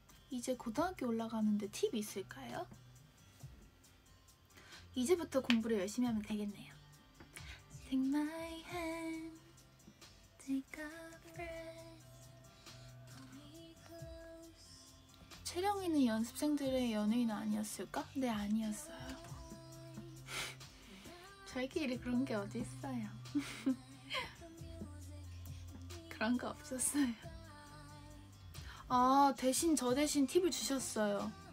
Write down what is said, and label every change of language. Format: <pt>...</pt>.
<ko>이제 고등학교 올라가는데 팁 있을까요? 이제부터 공부를 열심히 하면 되겠네요.</ko> <en>Take my hand, take a breath, hold me close.</en> <ko>채령이는 연습생들의 연예인 아니었을까? 네, 아니었어요. 저희끼리 그런 게 어디 있어요? 그런 거 없었어요. 아, 대신 저 대신 팁을 주셨어요.</ko>